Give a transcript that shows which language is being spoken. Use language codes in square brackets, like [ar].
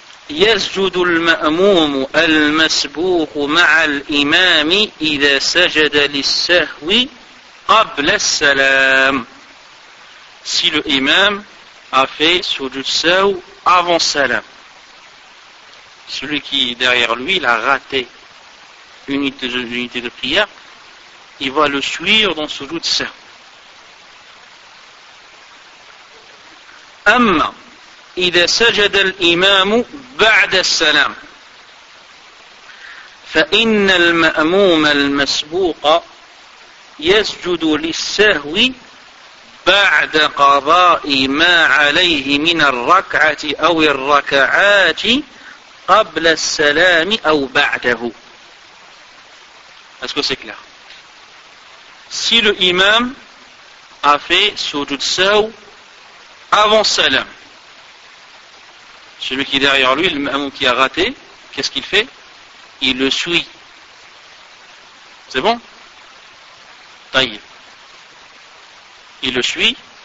[ar] يسجد المأموم المسبوق مع الإمام إذا سجد للسهو قبل السلام. [fr] Si le imam a fait sujud sahw avant salam. Celui qui derrière lui il a raté une unité de prière, il va le suivre dans sujud sahw. [ar] أما إذا سجد الإمام بعد السلام فإن المأموم المسبوق يسجد للسهو بعد قضاء ما عليه من الركعة أو الركعات قبل السلام أو بعده. [fr] Est-ce que c'est clair? Si l'imam a fait sujud sahw avant salam, celui qui est derrière lui, le mamou qui a raté, qu'est-ce qu'il fait? Il le suit. C'est bon? Taïb. Il le suit.